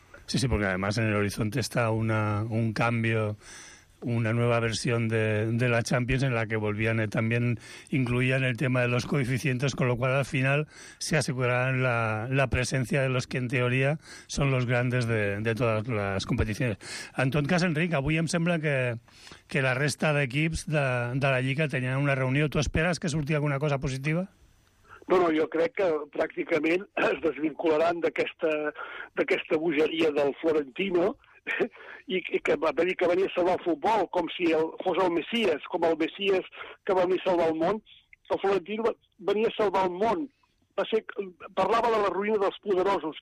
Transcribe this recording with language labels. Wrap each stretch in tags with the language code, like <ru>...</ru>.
<es>Sí, sí, porque además en el horizonte está un cambio, una nueva versión de la Champions en la que volvían también incluían el tema de los coeficientes, con lo cual al final se aseguraban la presencia de los que en teoría son los grandes de todas las competiciones.</es> <ca>En tot cas, Enric, avui em sembla que la resta d'equips de la Lliga tenien una reunió.</ca> <es>¿Tú esperas</es> <ca>que surti alguna cosa positiva? No, jo crec que pràcticament es desvincularan d'aquesta bogeria del Florentino i que va venir a salvar el futbol com si fos el Messias, com el Messias que va venir a salvar el món. El Florentino venia a salvar el món. Parlava de la ruïna dels poderosos.</ca>